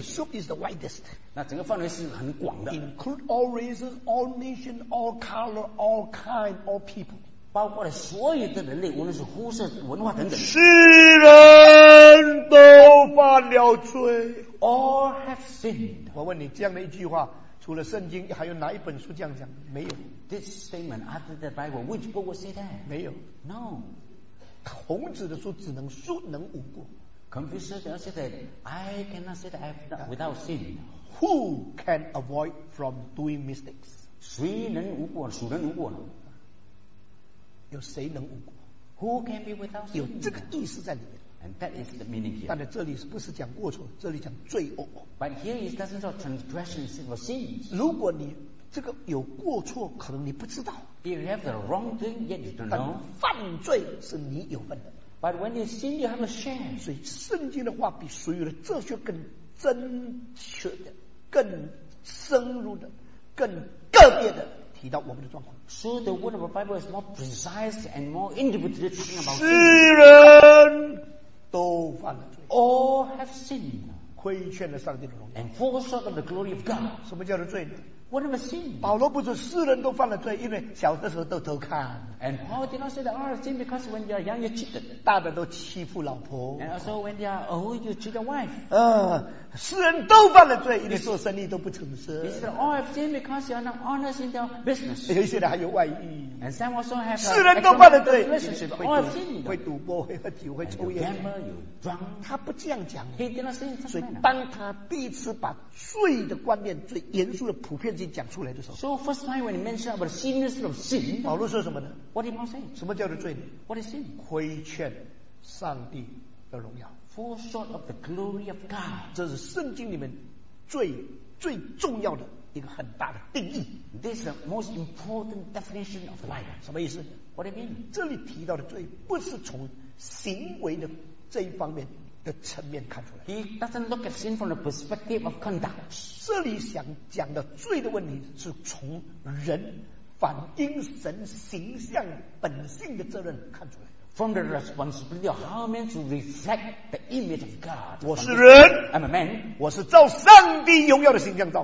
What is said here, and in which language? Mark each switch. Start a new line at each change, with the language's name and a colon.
English: The scope is the widest.
Chinese: 那整个范围是很广的。
English: Include all races, all nations, all color, all kind, all people.
Chinese: 包括了所有的人类，无论是肤色、文化等等。世人都犯了罪。
English: All have sinned.
Chinese: 我问你，这样的一句话，除了圣经，还有哪一本书这样讲？没有。
English: This statement after the Bible, which book would say that?
Chinese: 没有。
English: No.
Chinese: 孔子的书只能书能无过。
English: Confucius said that I cannot say that I have not without sin. Who can avoid from doing mistakes?
Chinese: 谁能无过？孰能无过呢？有谁能无过？
English: Who can be without sin?
Chinese: 有这个意思在里面。
English: And that is the meaning here.
Chinese: 但是这里不是讲过错，这里讲罪恶。
English: But here it doesn't say transgression or sin.
Chinese: 如果你这个有过错，可能你不知道。
English: If you have the wrong thing, yet you don't know.
Chinese: 但犯罪是你有份的。
English: But when you sin, you have a shame.
Chinese: 所以圣经的话比所有的哲学更真切的、更深入的、更个别的提到我们的状况。
English: So the word of the Bible is more precise and more individual talking about sin.
Chinese: 世人都犯了罪。
English: All have sinned.
Chinese: 亏欠了上帝的荣耀。
English: And fall short of the glory of God.
Chinese: 什么叫做罪呢？
English: What am I seeing?
Chinese: 保罗不是世人都犯了罪，因为小的时候都偷看。
English: And Paul did not say that all sin because when you are young you cheated.
Chinese: 大的都欺负老婆。
English: And also when they are old you cheat your wife.
Chinese: 世人都犯了罪，因为做生意都不诚实。
English: He said all have sin because you are not honest in their business.
Chinese: 有一些人还有外遇。
English: And some also have.
Chinese: 世人都犯了罪。
English: All have sin.
Chinese: 会赌博，会喝酒，会抽烟。
English: Gamble, you drunk.
Chinese: 他不这样讲。
English: He did not say that.
Chinese: 所以当他第一次把罪的观念最严肃的普遍。讲出来的时候
English: So first time when he mentioned about the sinness of sin
Chinese: 保罗说什么呢
English: What did Paul say
Chinese: 什么叫做罪呢
English: What is sin
Chinese: 亏欠上帝的荣耀
English: Fall short of the glory of God
Chinese: 这是圣经里面最最重要的一个很大的定义
English: This is the most important definition of life
Chinese: 什么意思
English: What do you mean
Chinese: 这里提到的罪不是从行为的这一方面的层面看出来。
English: He doesn't look at sin from the perspective of conduct.
Chinese: 这里想讲的罪的问题是从人反映神形象本性的责任看出来。
English: From the responsibility of how men to reflect the image of God.
Chinese: 我是人。
English: I'm a man.
Chinese: 我是照上帝荣耀的形象造。